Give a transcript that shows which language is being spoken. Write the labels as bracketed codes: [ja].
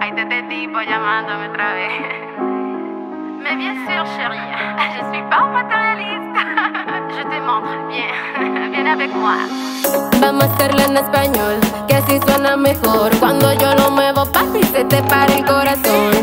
[es] Ahí te tipo llamándome otra vez. [fr] Mais bien sûr, chérie, je suis pas matérialiste. Je te montre bien. Viens avec moi. [es] Vamos a hacerlo en español, que así suena mejor. Cuando yo lo muevo, papi, se te para el corazón.